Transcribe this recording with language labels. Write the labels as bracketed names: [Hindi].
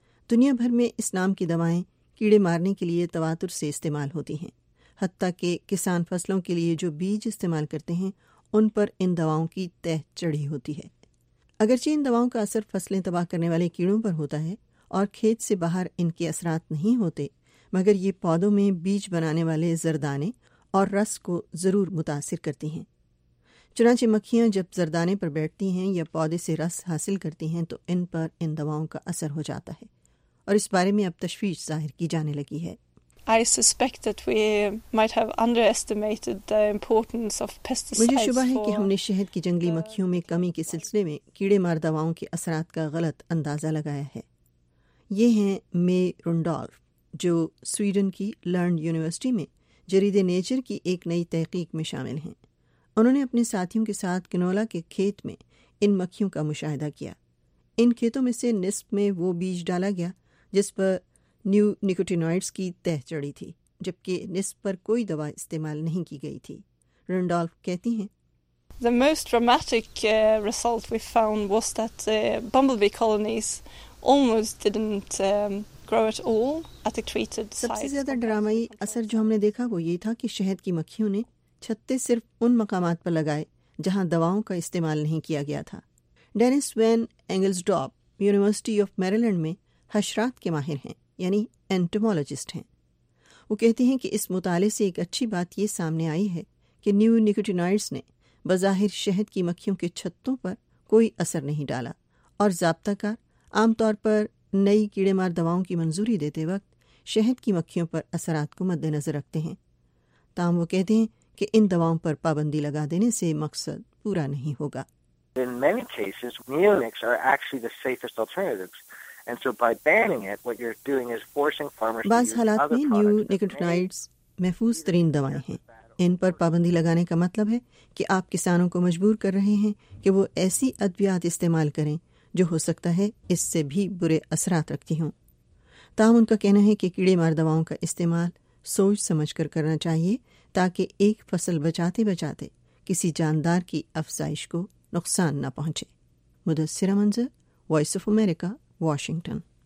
[Urdu] دنیا بھر میں اس نام کی دوائیں کیڑے مارنے کے لیے تواتر سے استعمال ہوتی ہیں، حتیٰ کہ کسان فصلوں کے لیے جو بیج استعمال کرتے ہیں ان پر ان دواؤں کی تہ چڑھی ہوتی ہے۔ اگرچہ ان دواؤں کا اثر فصلیں تباہ کرنے والے کیڑوں پر ہوتا ہے اور کھیت سے باہر ان کے اثرات نہیں ہوتے، مگر یہ پودوں میں بیج بنانے والے زردانے اور رس کو ضرور متاثر کرتی ہیں۔ چنانچہ مکھیاں جب زردانے پر بیٹھتی ہیں یا پودے سے رس حاصل کرتی ہیں تو ان پر ان دواؤں کا اثر ہو جاتا ہے، اور اس بارے میں اب تشویش ظاہر کی جانے لگی ہے۔ [English] I suspect that we might have underestimated the importance of pesticides. [Urdu] مجھے شبہ ہے کہ ہم نے شہد کی جنگلی مکھیوں میں کمی کے سلسلے میں کیڑے مار دواؤں کے اثرات کا غلط اندازہ لگایا ہے۔ یہ ہیں مے رنڈولف، جو سویڈن کی لرنڈ یونیورسٹی میں جریدے نیچر کی ایک نئی تحقیق میں شامل ہیں۔ انہوں نے اپنے ساتھیوں کے ساتھ کنولا کے کھیت میں ان مکھیوں کا مشاہدہ کیا۔ ان کھیتوں میں سے نصف میں وہ بیج ڈالا گیا جس پر نیو نکوٹینوئڈز کی تہ چڑھی تھی، جبکہ نصف پر کوئی دوا استعمال نہیں کی گئی تھی۔ رنڈولف کہتی ہیں، [English] The most dramatic result we found was that bumblebee colonies almost didn't [Urdu] سب سے زیادہ ڈرامائی اثر جو ہم نے دیکھا وہ یہ تھا کہ شہد کی مکھیوں نے چھتے صرف ان مقامات پر لگائے جہاں دواؤں کا استعمال نہیں کیا گیا تھا۔ ڈینس وین اینگلزڈارپ یونیورسٹی آف میریلینڈ میں حشرات کے ماہر ہیں، یعنی اینٹومولوجسٹ ہیں۔ وہ کہتے ہیں کہ اس مطالعے سے ایک اچھی بات یہ سامنے آئی ہے کہ نیو نکوٹینائڈز نے بظاہر شہد کی مکھیوں کے چھتوں پر کوئی اثر نہیں ڈالا، اور ضابطہ کار عام طور پر نئی کیڑے مار دواؤں کی منظوری دیتے وقت شہد کی مکھیوں پر اثرات کو مد نظر رکھتے ہیں۔ تاہم وہ کہتے ہیں کہ ان دواؤں پر پابندی لگا دینے سے مقصد پورا نہیں ہوگا۔ [English] In many cases, neonics are actually the safest alternatives. And so by banning it, what you're doing is forcing farmers [Urdu] بعض حالات میں نیو نکوٹینائڈز محفوظ ترین دوائیں ہیں۔ ان پر پابندی لگانے کا مطلب ہے کہ آپ کسانوں کو مجبور کر رہے ہیں کہ وہ ایسی ادویات استعمال کریں جو ہو سکتا ہے اس سے بھی برے اثرات رکھتی ہوں۔ تاہم ان کا کہنا ہے کہ کیڑے مار دواؤں کا استعمال سوچ سمجھ کر کرنا چاہیے تاکہ ایک فصل بچاتے بچاتے کسی جاندار کی افزائش کو نقصان نہ پہنچے۔ مدثرہ منظر، وائس آف امریکہ، واشنگٹن۔